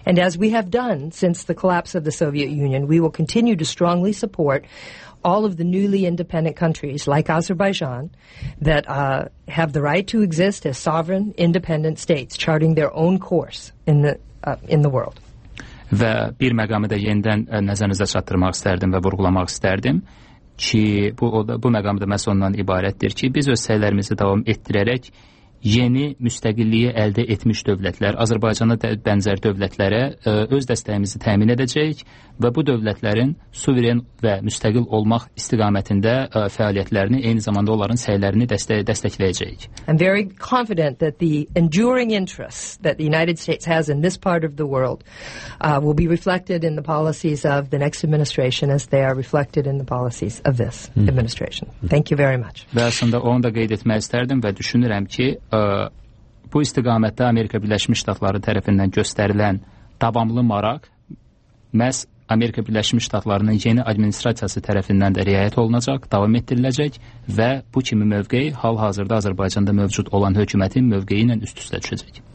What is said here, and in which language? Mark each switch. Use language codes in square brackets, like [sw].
[en] And as we have done since the collapse of the Soviet Union, we will continue to strongly support all of the newly independent countries like Azerbaijan that have the right to exist as sovereign independent states charting their own course in the world. [az] Və bir məqamı da yenidən nəzərinizə çatdırmaq istərdim və vurğulamaq istərdim ki, bu məqam da məhz ondan ibarətdir ki, biz öz səylərimizi davam etdirərək yeni müstəqilliyi əldə etmiş dövlətlər, Azərbaycana bənzər dövlətlərə öz dəstəyimizi təmin edəcəyik və bu dövlətlərin suveren və müstəqil olmaq istiqamətində fəaliyyətlərini, eyni zamanda onların səylərini dəstəkləyəcəyik. [en] I'm very confident that the enduring interests that the United States has in this part of the world will be reflected in the policies of the next administration as they are reflected in the policies of this administration. Thank you very much. [az] Və aslında onu da qeyd etmək istərdim və düşünürəm ki, bu istiqamətdə Amerika Birləşmiş Ştatları tərəfindən göstərilən davamlı maraq məhz Amerika Birləşmiş Ştatlarının yeni administrasiyası tərəfindən də riayət olunacaq, davam etdiriləcək və bu kimi mövqeyi hal-hazırda Azərbaycanda mövcud olan hökumətin mövqeyi ilə üst-üstə düşəcək.